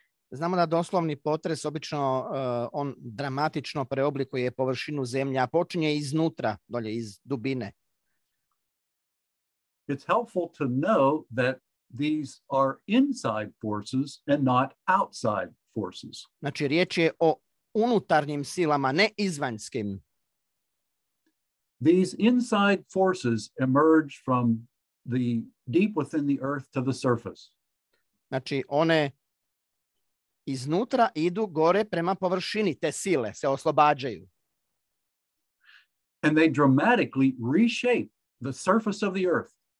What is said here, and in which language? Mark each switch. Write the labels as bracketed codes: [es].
[hr] Znamo da doslovni potres obično on dramatično preoblikuje površinu zemlje, a počinje iznutra, dolje iz dubine. [en] It's helpful to know that these are inside forces and not outside forces. [hr] Znači, riječ je o unutarnjim silama, ne izvanjskim. [en] These inside forces emerge from the deep within the earth to the surface. [hr] Znači, one iznutra idu gore prema površini, te sile se oslobađaju. [en] And they dramatically reshape the surface of the earth.